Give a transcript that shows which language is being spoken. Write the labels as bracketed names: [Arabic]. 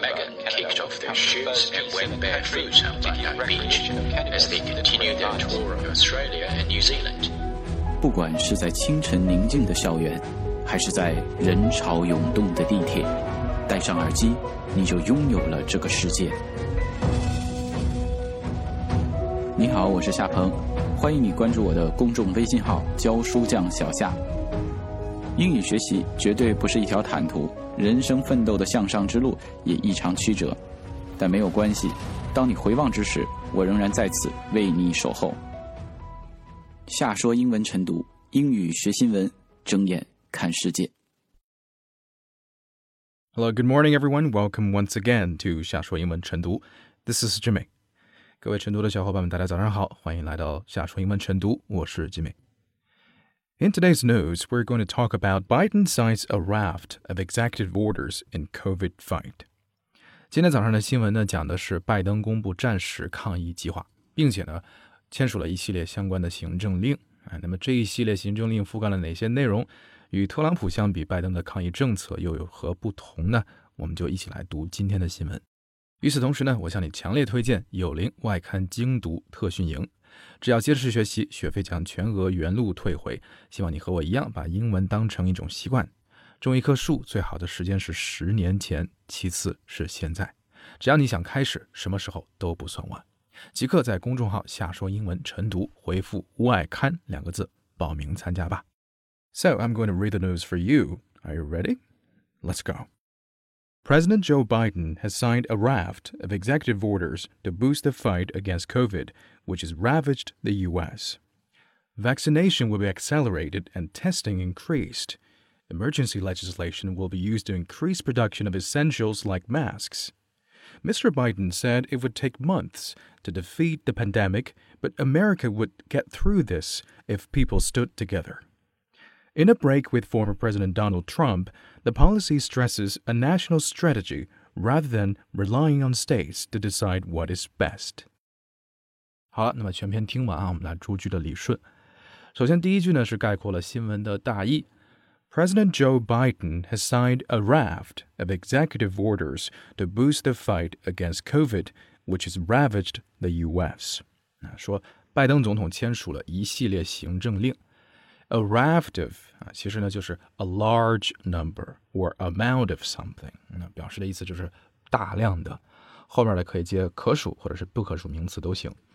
[English] Megan kicked off their shoes and went barefoot on Bondi Beach as they continued their tour of Australia and New Zealand. [Chinese] 不管是在清晨宁静的校园，还是在人潮涌动的地铁，戴上耳机，你就拥有了这个世界。你好，我是夏鹏，欢迎你关注我的公众微信号“教书匠小夏”。英语学习绝对不是一条坦途，人生奋斗的向上之路也异常曲折，但没有关系，当你回望之时，我仍然在此为你守候。夏说英文晨读，英语学新闻，睁眼看世界。 [English] Hello, good morning, everyone. Welcome once again to 夏说英文晨读。This is Jimmy. [Chinese] 各位晨读的小伙伴们，大家早上好，欢迎来到夏说英文晨读，我是 Jimmy。 [English] In today's news, we're going to talk about Biden signs a raft of executive orders in COVID fight. [Chinese] 今天早上的新闻呢，讲的是拜登公布战时抗疫计划，并且呢，签署了一系列相关的行政令。那么这一系列行政令覆盖了哪些内容？与特朗普相比，拜登的抗疫政策又有何不同呢？我们就一起来读今天的新闻。与此同时呢，我向你强烈推荐有灵外刊精读特训营，只要坚持学习，学费将全额原路退回。希望你和我一样把英文当成一种习惯。种一棵树最好的时间是十年前，其次是现在，只要你想开始，什么时候都不算晚。即刻在公众号下说英文晨读回复外刊两个字报名参加吧。 [English] So I'm going to read the news for you. Are you ready? Let's goPresident Joe Biden has signed a raft of executive orders to boost the fight against COVID, which has ravaged the U.S. Vaccination will be accelerated and testing increased. Emergency legislation will be used to increase production of essentials like masks. Mr. Biden said it would take months to defeat the pandemic, but America would get through this if people stood together. In a break with former President Donald Trump, the policy stresses a national strategy rather than relying on states to decide what is best. [Chinese] 好了，那么全篇听完啊，我们来逐句的理顺。首先第一句呢，是概括了新闻的大意。 [English] President Joe Biden has signed a raft of executive orders to boost the fight against COVID, which has ravaged the U.S. [Chinese] 说拜登总统签署了一系列行政令。 [English] A raft of, [Chinese] 其实呢就是 [English] a large number or amount of something, [Chinese] 表示的意思就是大量的，后面的可以接可数或者是不可数名词都行。